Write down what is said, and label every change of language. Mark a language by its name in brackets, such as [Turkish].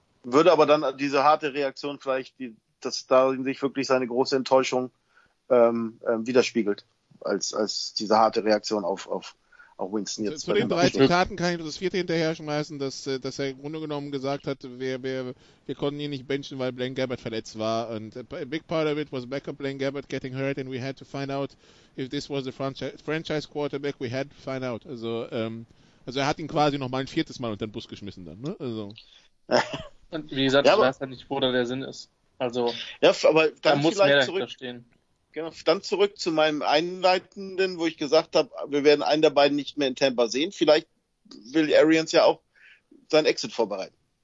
[German] Würde aber dann diese harte Reaktion vielleicht, dass da sich wirklich seine große Enttäuschung widerspiegelt, als diese harte Reaktion auf Winston jetzt. Zu den drei Zitaten kann ich das vierte hinterher schmeißen, dass er im Grunde genommen gesagt hat, wir konnten ihn nicht benchen, weil Blaine Gabbert verletzt war. [English] And a big part of it was backup Blaine Gabbert getting hurt and we had to find out if this was the franchise quarterback, we had to find out. Also [German] Also er hat ihn quasi nochmal ein viertes Mal unter den Bus geschmissen dann, ne? Also. Und wie gesagt, ja, ich weiß ja nicht, wo da der Sinn ist. Also, ja, aber dann muss vielleicht mehr zurückstehen. Genau, dann zurück zu meinem Einleitenden, wo ich gesagt habe, wir werden einen der beiden nicht mehr in Tampa sehen. Vielleicht will Arians ja auch seinen Exit vorbereiten.